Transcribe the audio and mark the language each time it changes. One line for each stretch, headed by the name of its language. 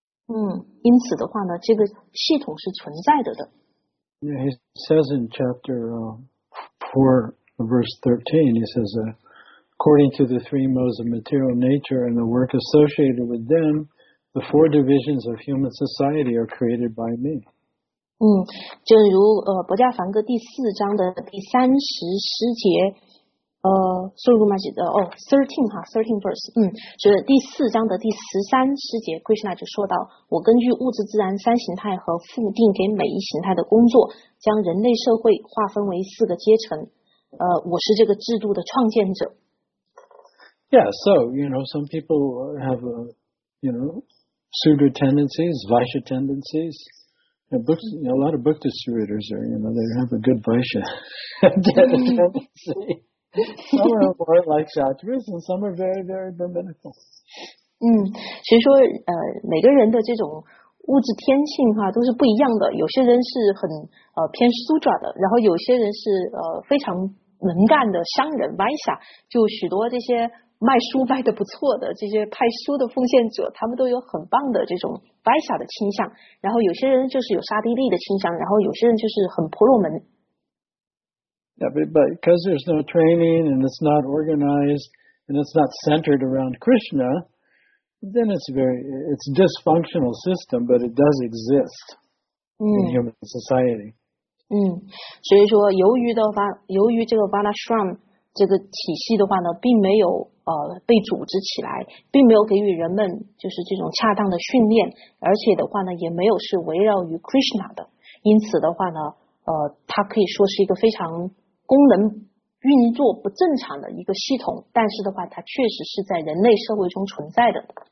Chinese: 嗯，因此的话呢，这个系统是存在的的。
English: He says in chapter 4, verse 13, he says, according to the three modes of material nature and the work associated with them, the four divisions of human society are created by me.
Chinese: 嗯，正如博迦梵歌第四章的第三十诗节，苏鲁玛写的哦 ，
English: thirteen
Chinese: 哈 ，
English: thirteen verse，
Chinese: 嗯，就是第四章的第十三诗节 ，Krishna 就说到，我根据物质自然三形态和复定给每一形态的工作，将人类社会划分为四个阶层，我是这个制度的创建者。
English: Yeah, so you know, some people have you know, pseudo tendencies, vaisha tendencies. Books, you know, a lot of book distributors are, you know, they have a good vaisha tendency. Some are more like shatras and some are very, very brahminical.
Chinese: 嗯，所以说每个人的这种物质天性哈都是不一样的。有些人是很偏 sudra 的，然后有些人是非常能干的商人 vaisha， 就许多这些卖书卖得不错的这些派书的奉献者，他们都有很棒的这种 Vaisha 的倾向，然后有些人就是有沙地利的倾向，然后有些人就是很婆罗门。
English: Yeah, but because there's no training and it's not organized and it's not centered around Krishna, then it's a dysfunctional system, but it does exist in human society.
Chinese: 嗯，所以说由于这个 Vanashram 这个体系的话呢，并没有被组织起来，并没有给予人们就是这种恰当的训练，而且的话呢，也没有是围绕于 Krishna 的，因此的话呢，它可以说是一个非常功能运作不正常的一个系统，但是的话，它确实是在人类社会中存在的。